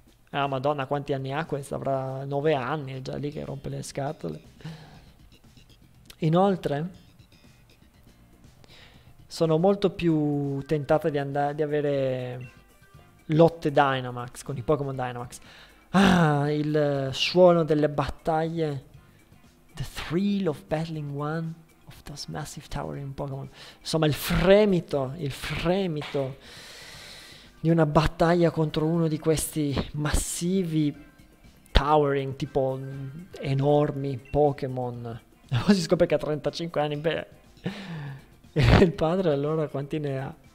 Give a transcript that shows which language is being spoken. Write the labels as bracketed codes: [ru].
[it] Ah, Madonna, quanti anni ha questa? Avrà 9 anni, è già lì che rompe le scatole. Inoltre, sono molto più tentata di avere lotte Dynamax con i Pokémon Dynamax. Ah, il suono delle battaglie. [en] The thrill of battling one of those massive towering Pokémon. [it] Insomma, il fremito di una battaglia contro uno di questi massivi towering, tipo enormi Pokémon. Si scopre che ha 35 anni. Beh, il padre allora quanti ne ha?